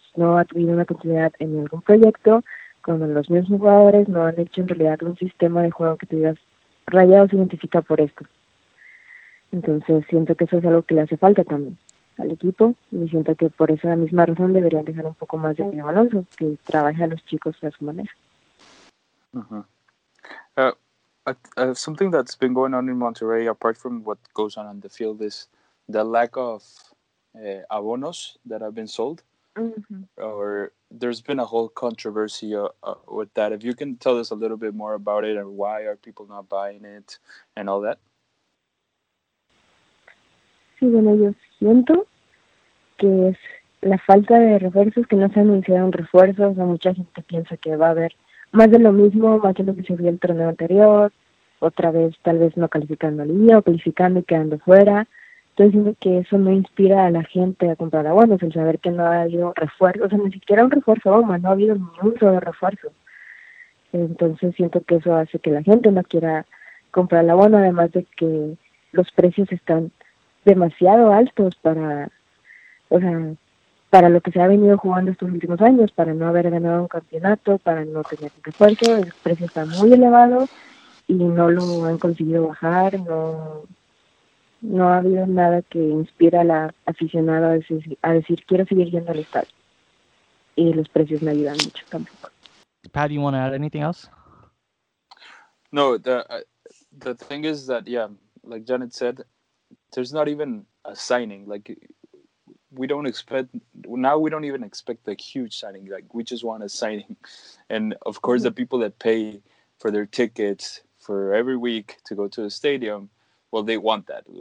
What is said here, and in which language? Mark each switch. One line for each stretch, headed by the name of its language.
Spanish: No ha tenido una continuidad en algún proyecto, con los mismos jugadores, no han hecho en realidad un sistema de juego que te digas, Rayados se identifica por esto. Entonces siento que eso es algo que le hace falta también al equipo y siento que por esa misma razón deberían dejar un poco más de Diego Alonso, que trabaje a los chicos a su manera.
English: Something that's been going on in Monterrey, apart from what goes on the field, is the lack of abonos that have been sold. Mm-hmm. Or there's been a whole controversy with that. If you can tell us a little bit more about it, and why are people not buying it, and all that.
Spanish: Sí, bueno, yo siento que es la falta de refuerzos, que no se anunciaron refuerzos, o mucha gente piensa que va a haber más de lo mismo, más de lo que se vio el torneo anterior, otra vez tal vez no calificando a la liga o calificando y quedando fuera. Entonces siento que eso no inspira a la gente a comprar abonos, el saber que no ha habido refuerzo, o sea, ni siquiera un refuerzo, no ha habido ni un solo refuerzo. Entonces siento que eso hace que la gente no quiera comprar el abono, además de que los precios están demasiado altos para lo que se ha venido jugando estos últimos años, para no haber ganado un campeonato, para no tener un refuerzo. El precio está muy elevado y no lo han conseguido bajar, no ha habido nada que inspire a la aficionada a decir, quiero seguir yendo al estadio. Y los precios no ayudan mucho tampoco.
English: Pat, do you want to add anything else? No, the thing is that, yeah, like Janet said, there's not even a signing, like, we don't even expect a huge signing. Like, we just want a signing. And of course, the people that pay for their tickets for every week to go to a stadium, well, they want that.